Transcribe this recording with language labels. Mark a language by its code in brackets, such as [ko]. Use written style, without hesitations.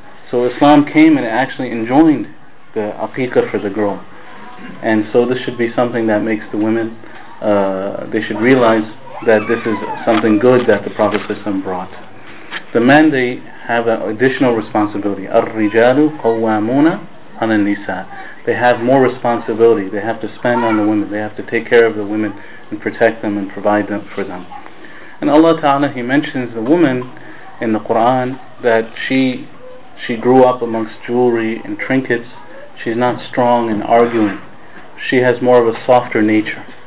[en] So Islam came and actually enjoined the aqiqah for the girl. And so this should be something that makes the women, they should realize that this is something good that the Prophet ﷺ brought. The men, they have an additional responsibility. [ar] الرجال قوامون على النساء. [en] They have more responsibility. They have to spend on the women. They have to take care of the women and protect them and provide them for them. And Allah Ta'ala, He mentions the woman in the Quran, that she grew up amongst jewelry and trinkets. She's not strong in arguing. She has more of a softer nature.